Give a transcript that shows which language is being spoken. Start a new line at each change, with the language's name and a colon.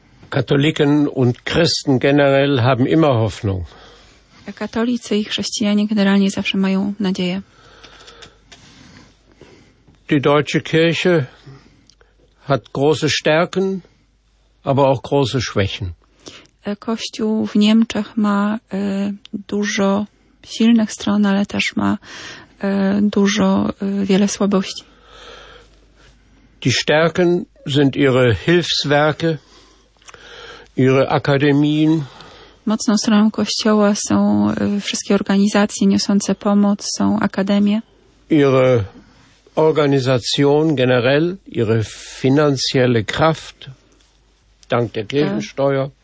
German: Katoliken und Christen generell haben immer Hoffnung.
Polish: Katolicy i chrześcijanie generalnie zawsze mają nadzieję.
German: Die deutsche Kirche hat große Stärken, aber auch große Schwächen.
Polish: Kościół w Niemczech ma dużo silnych stron, ale też ma dużo wiele słabości.
German: Die Stärken sind ihre Hilfswerke, ihre Akademien.
Polish: Mocną stroną Kościoła są wszystkie organizacje niosące pomoc, są akademie.
German: Ihre Organisation generell, ihre finanzielle Kraft, dank der Kirchensteuer.